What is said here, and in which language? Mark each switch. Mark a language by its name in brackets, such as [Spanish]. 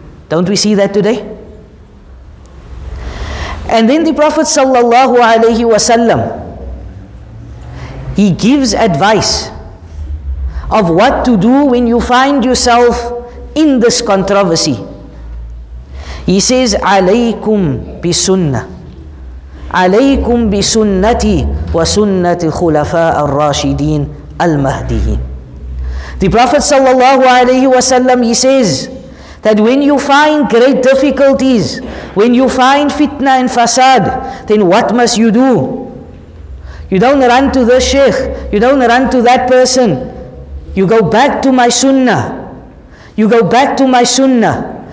[English] Don't we see that today? And then the Prophet sallallahu alayhi wasallam, he gives advice of what to do when you find yourself in this controversy. He says, [Arabic] عليكم بسنة عليكم بسنتي وسنة الخلفاء الراشدين المهديين. [English] The Prophet sallallahu alayhi wasallam, he says that when you find great difficulties, when you find fitna and fasad, then what must you do? You don't run to the sheikh, you don't run to that person. You go back to my sunnah. You go back to my sunnah.